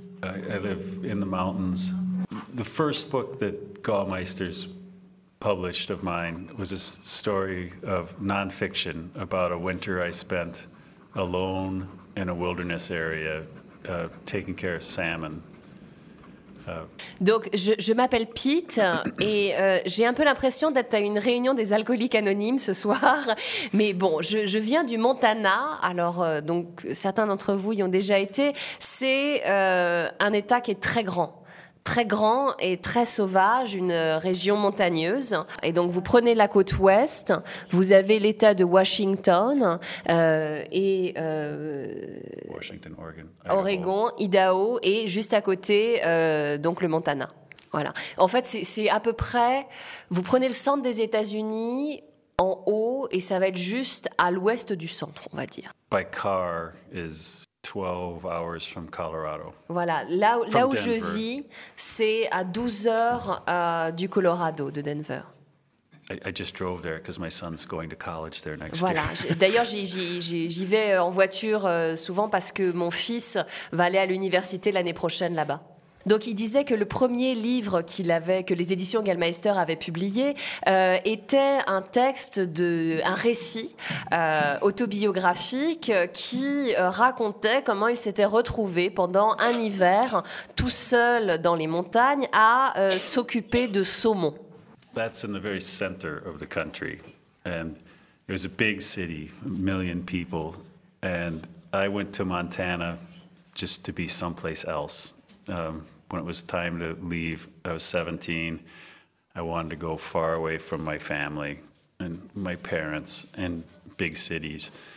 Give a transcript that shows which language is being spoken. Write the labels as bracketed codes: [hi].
[en] I live in the mountains. The first book that Gallmeisters published of mine was a story of nonfiction about a winter I spent alone in a wilderness area taking care of salmon. [fr] Donc, je m'appelle Pete et j'ai un peu l'impression d'être à une réunion des alcooliques anonymes ce soir. Mais bon, je viens du Montana. Alors, donc, certains d'entre vous y ont déjà été. C'est un État qui est très grand. Très grand et très sauvage, une région montagneuse. Et donc, vous prenez la côte ouest, vous avez l'État de Washington et... Washington, Oregon. Oregon, Idaho, et juste à côté, donc le Montana. Voilà. En fait, c'est à peu près... Vous prenez le centre des États-Unis en haut et ça va être juste à l'ouest du centre, on va dire. [en] By car is... 12 hours from Colorado. [fr] Voilà, là où je vis, c'est à 12 heures du Colorado, de Denver. [en] I just drove there because my son's going to college there next year. [fr] Voilà, d'ailleurs j'y vais en voiture souvent parce que mon fils va aller à l'université l'année prochaine là-bas. Donc il disait que le premier livre que les éditions Gallmeister avaient publié était un texte, un récit autobiographique qui racontait comment il s'était retrouvé pendant un hiver tout seul dans les montagnes à s'occuper de saumon. [en] That's in the very center of the country. And it was a big city, a million people. And I went to Montana just to be someplace else. When it was time to leave, I was 17. I wanted to go far away from my family and my parents and big cities.